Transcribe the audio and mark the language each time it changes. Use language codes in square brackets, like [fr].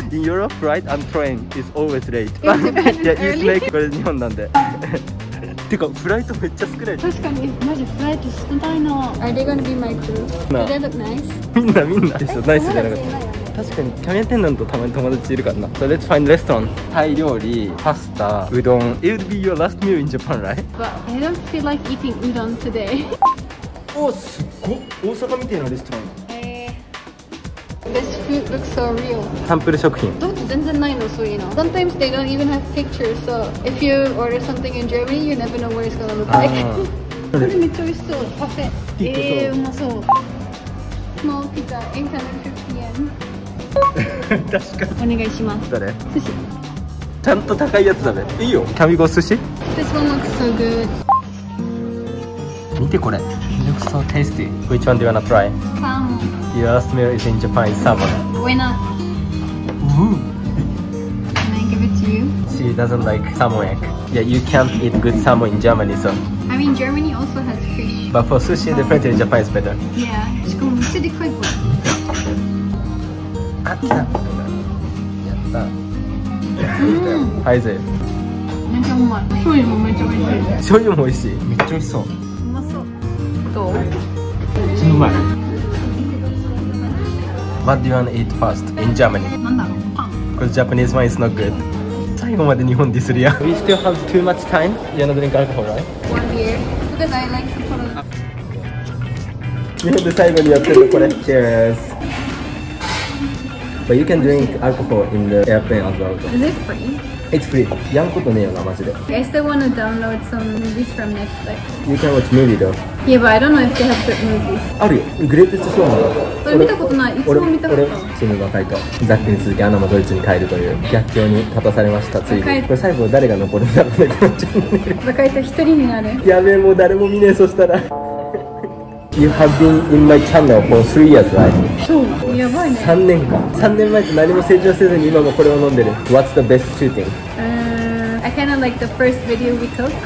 [en] In Europe, flight and train is always late. In Japan, it's early. Yeah, it's late. [ja] これ日本なんで。てか、フライトめっちゃ少ない。確かに、マジフライト少ないの。 [en] Are they gonna be my crew? No. Do they look nice? [ja] みんなですよ。ナイスじゃなかった。確かにキャビンアテンダントたまに友達いるからな。 [en] So let's find restaurant. [ja] タイ料理、パスタ、うどん。 [en] It would be your last meal in Japan, right? But I don't feel like eating udon today. [ja] おー、すっごっ、大阪みたいなレストラン。 [en] This food looks so real. [ja] サンプル食品。ドイツ全然ないの、そういうの。 [en] Sometimes they don't even have pictures, so if you order something in Germany, you never know what it's gonna look like. [ja] これめっちゃ美味しそう、パフェ。うまそう。Small pizza, 850円。確かに。お願いします。誰？寿司。ちゃんと高いやつだね。いいよ、キャビゴ寿司。 [en] This one looks so good. [ja] 見てこれ、 [en] looks so tasty. Which one do you wanna try? Salmon. Your last meal is in Japan, is salmon. Why not? Ooh. Can I give it to you? She doesn't like salmon egg. Yeah, you can't eat good salmon in Germany, so. I mean, Germany also has fish. But for sushi, the fish in Japan is better. Yeah. [ja] しかもめっちゃでかいこれ。あった。やった。はい、ぜ。めっちゃうまい。醤油もめっちゃ美味しい。醤油も美味しい。めっちゃ美味しそう。どう？めっちゃうまい。 [en] What do you want to eat first in Germany? [ja] なんだろう、パン。 [en] Cause Japanese wine is not good. [ja] 最後まで日本ディスるやん。 [en] We still have too much time. You wanna drink alcohol, right? One beer. Because I like Sapporo. [ja] 日本で最後にやってるこれ。 [en] Cheers. But you can drink alcohol in the airplane as well. Is it free? It's free. [ja] やんことねえよな、マジで。 [en] I still want to download some movies from Netflix. You can watch movie though. Yeah, but I don't know if they have good movies. [ja] あるよ、グレイテストショーマン。それ見たことない、いつも見たことない。俺、チームバカイト。ザックに続きアナもドイツに帰るという逆境に立たされました。ついにこれ最後誰が残るんだろうね、このチャンネル。バカイト一人になる。やべえ、もう誰も見ねえ。そしたら [en] You have been in my channel for 3 years, right? [ja] そう、やばいね。 3年間、3年前と何も成長せずに今もこれを飲んでる。 [en] What's the best shooting? I kind of like the first video we took.